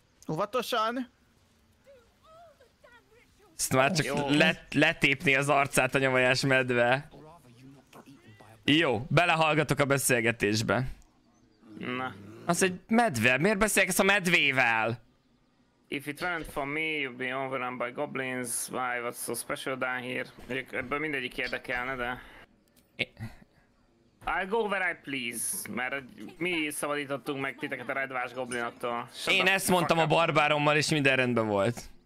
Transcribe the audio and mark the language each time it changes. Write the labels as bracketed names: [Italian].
[Hungarian] Óvatosan. Ezt már csak letépni az arcát a nyomajás medve. Jó, belehallgatok a beszélgetésbe. Na. Az egy medve? Miért beszélgetsz a medvével? [English] If it weren't for me, you'd be overrun by goblins. Why, what's so special down here? [Hungarian] Ebből mindegyik érdekelne, de... [English] I'll go where I please, [Hungarian] mert mi szabadítottunk meg titeket a redvás goblinoktól. Én ezt mondtam a barbárommal, és minden rendben volt.